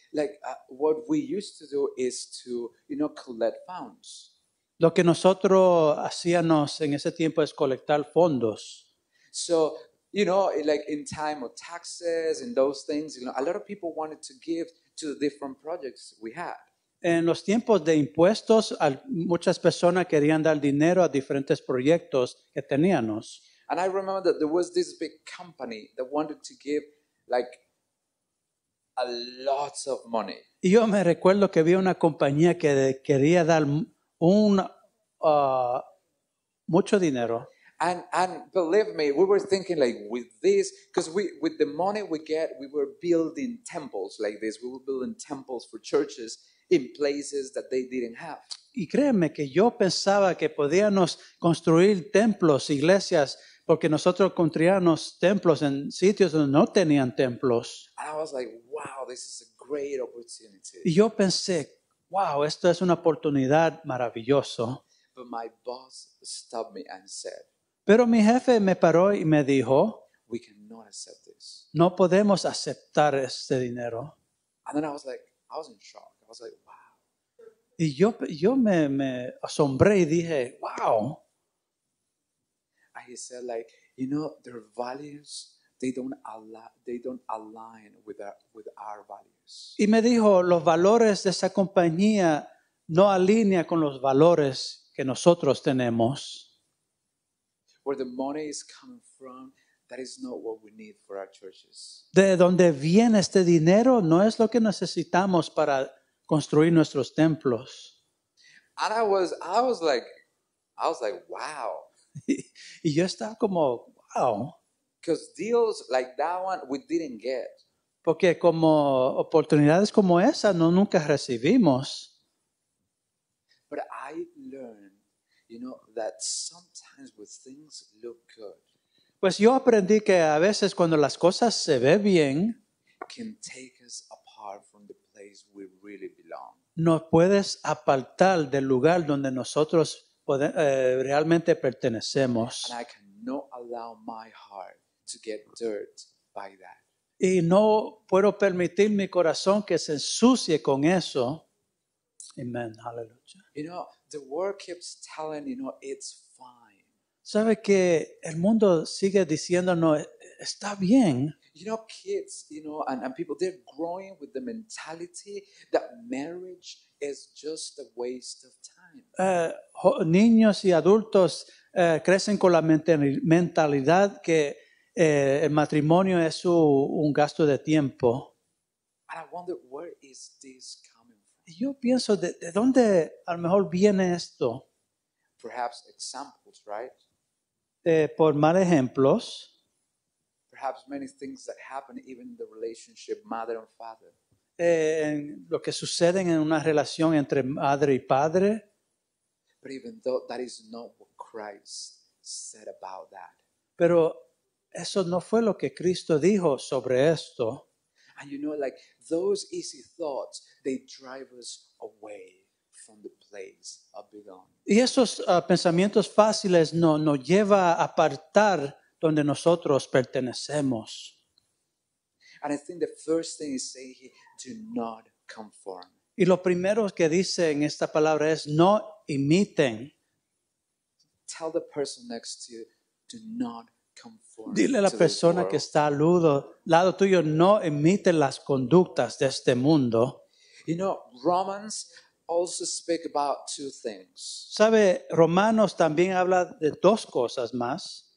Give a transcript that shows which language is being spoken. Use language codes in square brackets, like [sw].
[en] like what we used to do is to, you know, collect funds. [es] Lo que nosotros hacíamos en ese tiempo es colectar fondos. [en] So, you know, like in time of taxes and those things, you know, a lot of people wanted to give to the different projects we had. [es] En los tiempos de impuestos, muchas personas querían dar dinero a diferentes proyectos que teníamos. [en] And I remember that there was this big company that wanted to give like a lot of money. [es] Y yo me recuerdo que había una compañía que quería dar mucho dinero. [en] And believe me, we were thinking like with this, because with the money we get, we were building temples like this. We were building temples for churches in places that they didn't have. [es] Y créeme que yo pensaba que podíamos construir templos, iglesias, porque nosotros construíamos templos en sitios donde no tenían templos. [en] And I was like, wow, this is a great opportunity. [es] Y yo pensé, wow, esto es una oportunidad maravillosa. [en] But my boss stopped me and said, [es] Pero mi jefe me paró y me dijo, [en] we cannot accept this. [es] No podemos aceptar este dinero. [en] And then I was like, I was in shock. I was like, wow. [es] Y yo me asombré y dije, wow. [en] And he said, like, you know, their values, they don't align with our values. [es] Y me dijo, los valores de esa compañía no alinea con los valores que nosotros tenemos. [en] Where the money is coming from, that is not what we need for our churches. [es] De donde viene este dinero no es lo que necesitamos para construir nuestros templos. [en] And I was like, wow. [es] Y yo estaba como, wow. [en] Because deals like that one, we didn't get. [es] Porque como oportunidades como esa, no nunca recibimos. [en] But I learned, you know, that sometimes when things look good, [es] pues yo aprendí que a veces cuando las cosas se ve bien, [en] can take us apart from the place we really belong. [es] Nos puedes apartar del lugar donde nosotros realmente pertenecemos. [en] And I cannot allow my heart to get dirt by that. [es] Y no puedo permitir mi corazón que se ensucie con eso. [en] Amen. Hallelujah. You know, the world keeps telling, you know, it's fine. [es] ¿Sabe que el mundo sigue diciéndonos, está bien? [en] You know, kids, you know, and people, they're growing with the mentality that marriage is just a waste of time. [es] Niños y adultos crecen con la mentalidad que el matrimonio es un gasto de tiempo. [en] And I wonder, where is this coming from? [es] Y yo pienso, ¿de dónde a lo mejor viene esto? [en] Perhaps examples, right? [es] Por mal ejemplos. [en] Perhaps many things that happen even in the relationship mother and father. [es] En lo que sucede en una relación entre madre y padre. [en] But even though that is not what Christ said about that. [es] Pero eso no fue lo que Cristo dijo sobre esto. [en] And you know, like those easy thoughts, they drive us away from the place of belonging. [es] Y esos pensamientos fáciles no lleva a apartar donde nosotros pertenecemos. [en] And I think the first thing he says here, do not conform. [es] Y lo primero que dice en esta palabra es no imiten. [en] Tell the person next to you, do not [es] dile a la persona que está al lado tuyo, no imite las conductas de este mundo. [en] You know, Romans also speak about two things. [es] ¿Sabe? Romanos también habla de dos cosas más.